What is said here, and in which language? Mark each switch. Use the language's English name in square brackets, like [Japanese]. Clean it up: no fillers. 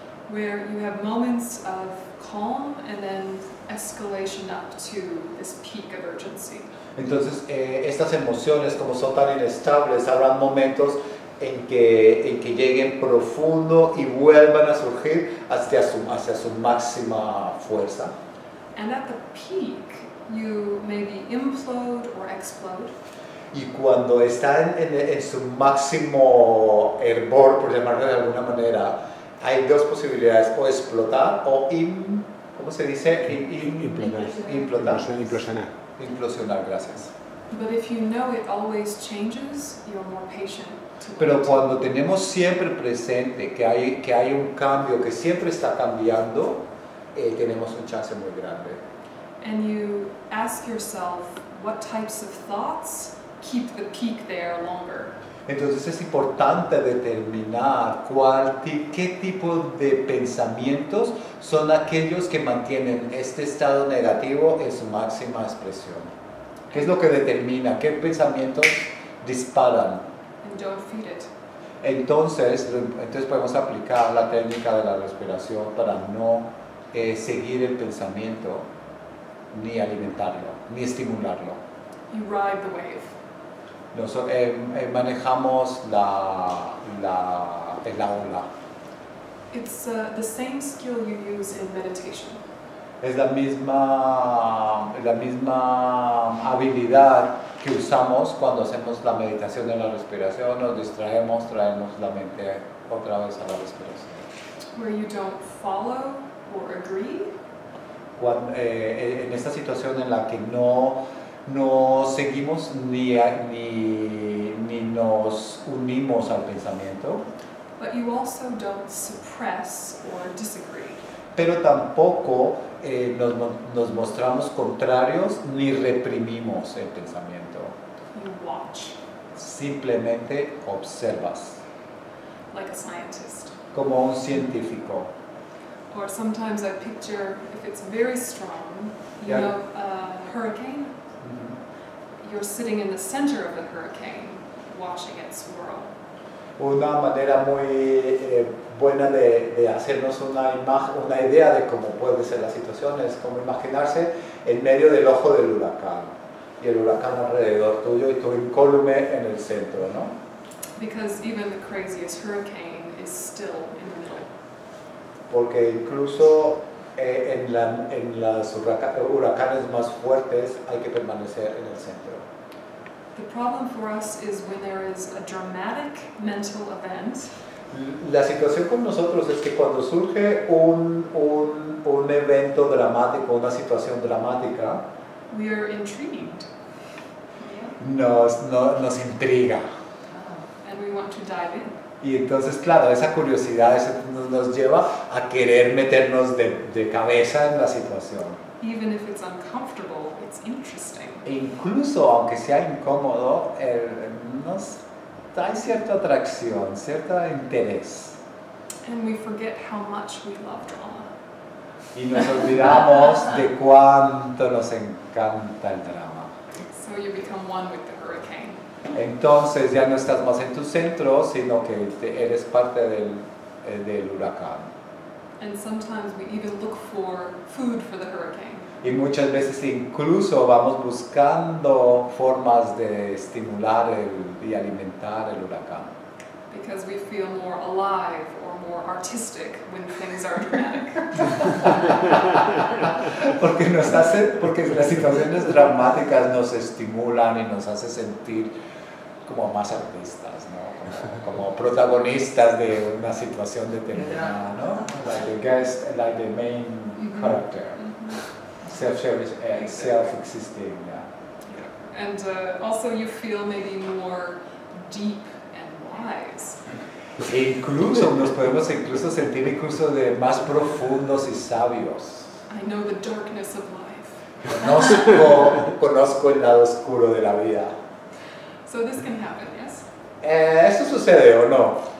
[English] Where you have moments of calm and then escalation up to this peak of urgency. [Spanish] Entonces, estas emociones, como son tan inestables, habrán momentos en que lleguen profundo y vuelvan a surgir hacia su máxima fuerza. [English] And at the peak, you maybe implode or explode. [Spanish] Y cuando está en su máximo hervor, por llamarlo de alguna manera, hay dos posibilidades: o explotar o implosionar. Gracias. [English] But if you know it always changes, you're more patient. [Spanish] Pero cuando tenemos siempre presente que hay un cambio que siempre está cambiando, tenemos un chance muy grande. [English] And you ask yourself what types of thoughts keep the peak there longer. [Spanish] Entonces es importante determinar qué tipo de pensamientos son aquellos que mantienen este estado negativo en su máxima expresión. ¿Qué es lo que determina qué pensamientos disparan? [English] And don't feed it. [Spanish] Entonces podemos aplicar la técnica de la respiración para no seguir el pensamiento, ni alimentarlo, ni estimularlo. [English] You ride the wave. [Spanish] Nosotros manejamos la ola. [English] It's the same skill you use in meditation. [Spanish] Es la misma habilidad que usamos cuando hacemos la meditación de la respiración. Nos distraemos, traemos la mente otra vez a la respiración. [English] Where you don't follow or agree. [Spanish] En esta situación en la que no seguimos ni nos unimos al pensamiento, [English] but you also don't suppress or disagree. [Spanish] Pero tampoco nos mostramos contrarios ni reprimimos el pensamiento. [English] You watch. [Spanish] Simplemente observas. [English] Like a scientist. [Spanish] Como un científico. [English] Or sometimes I picture, if it's very strong, a hurricane. Mm-hmm. You're sitting in the center of the hurricane, watching it swirl. [Spanish] una manera muy buena de hacernos una idea de cómo puede ser la situación es como imaginarse en medio del ojo del huracán y el huracán alrededor tuyo y tu incólume en el centro, ¿no? [English] Because even the craziest hurricane is still in the middle. [Spanish] Porque incluso en los huracanes más fuertes hay que permanecer en el centro. [English] The problem for us is when there is a dramatic mental event. [Spanish] La situación con nosotros es que cuando surge un evento dramático, una situación dramática, [English] we are intrigued. [Spanish] Nos intriga. [English] And we want to dive in. [Spanish] Y entonces, claro, esa curiosidad nos lleva a querer meternos de cabeza en la situación. [English] Even if it's uncomfortable, it's interesting. [Spanish] E incluso aunque sea incómodo, nos da cierta atracción, cierto interés. [English] And we forget how much we love drama. [Spanish] Y nos olvidamos de cuánto nos encanta el drama. [English] So you become one with the hurricane. [Spanish] Entonces ya no estás más en tu centro, sino que eres parte del huracán. [English] And sometimes we even look for food for the hurricane. [Spanish] Y muchas veces incluso vamos buscando formas de estimular y alimentar el huracán. [English] Because we feel more alive or more artistic when things are dramatic. [Spanish] Porque las situaciones dramáticas nos estimulan y nos hace sentir como más artistas, ¿no? Como protagonistas de una situación determinada, ¿no? [English] Like the guest, like the main character. Mm-hmm. Self-service, self-existing, yeah. And also you feel maybe more deep and wise. [Spanish] Incluso nos podemos sentir incluso de más profundos y sabios. [English] I know the darkness of life. [Spanish] Conozco el lado oscuro de la vida. [English] So this can happen, yes? [Spanish] ¿Eso sucede o no?